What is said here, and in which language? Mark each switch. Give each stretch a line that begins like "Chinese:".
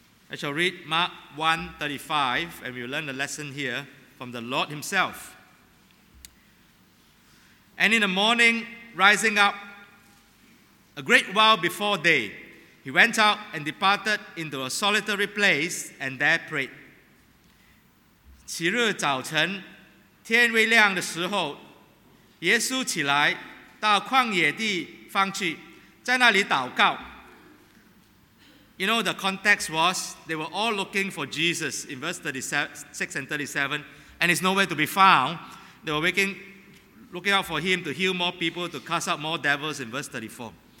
English: I shall read Mark 1:35, and we'll learn a lesson here from the Lord Himself. And in the morning, rising up a great while before day, He went out and departed into a solitary place, and there prayed.
Chinese: 起日早晨，天未亮的时候，耶稣起来到旷野地方去，在那里祷告。
English: You know, the context was they were all looking for Jesus in verse 36 and 37, and He's nowhere to be found. They were looking out for Him to heal more people, to cast out more devils in verse 34.